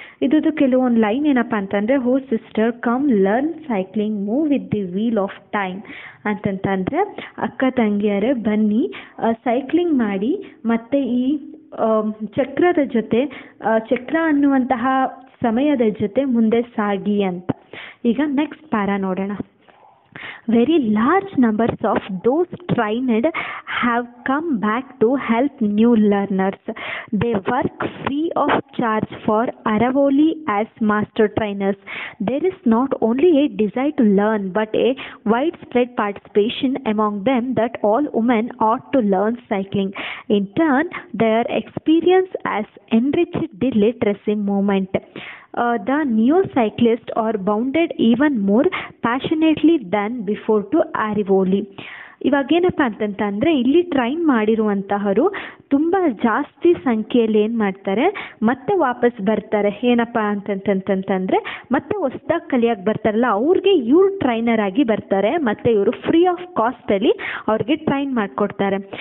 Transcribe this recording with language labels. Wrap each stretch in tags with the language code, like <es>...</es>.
<kn>ಇದು ಕೆಲವೊಂದು ಲೈನ್ ಏನಪ್ಪ ಅಂತಂದ್ರೆ,</kn> <en>ಹೋ sister come learn cycling move with the wheel of time</en> <kn>ಅಂತಂತಂದ್ರೆ ಅಕ್ಕ ತಂಗಿಯರೇ ಬನ್ನಿ ಸೈಕ್ಲಿಂಗ್ ಮಾಡಿ ಮತ್ತೆ ಈ ಚಕ್ರದ ಜೊತೆ ಚಕ್ರ ಅನ್ನುವಂತಹ ಸಮಯದ ಜೊತೆ ಮುಂದೆ ಸಾಗಿ ಅಂತ. ಈಗ ನೆಕ್ಸ್ಟ್ ಪ್ಯಾರ ನೋಡೋಣ.</kn> <en>Very large numbers of those trained have come back to help new learners. They work free of charge for Arivoli as master trainers. There is not only a desire to learn but a widespread participation among them that all women ought to learn cycling. In turn, their experience has enriched the literacy movement. The new cyclists are bounded even more passionately than before to Arivoli.</en> <kn>ಇವಾಗ ಏನಪ್ಪ ಅಂತಂತಂದ್ರೆ ಇಲ್ಲಿ train ಮಾಡಿರುವಂತಹರು ತುಂಬಾ ಜಾಸ್ತಿ ಸಂಖ್ಯೆಯಲ್ಲಿ ಏನ್ ಮಾಡ್ತಾರೆ ಮತ್ತೆ ವಾಪಸ್ ಬರ್ತಾರೆ. ಏನಪ್ಪ ಅಂತಂತಂತಂತಂದ್ರೆ ಮತ್ತೆ ಹೊಸ್ದಾಗ ಕಲಿಯಾಗಿ ಬರ್ತಾರಲ್ಲ ಅವ್ರಿಗೆ ಇವ್ರು ಟ್ರೈನರ್ ಆಗಿ ಬರ್ತಾರೆ ಮತ್ತೆ ಇವರು</kn> <en>free of cost</en> <kn>ಅಲ್ಲಿ ಅವ್ರಿಗೆ ಟ್ರೈನ್ ಮಾಡ್ಕೊಡ್ತಾರೆ.</kn>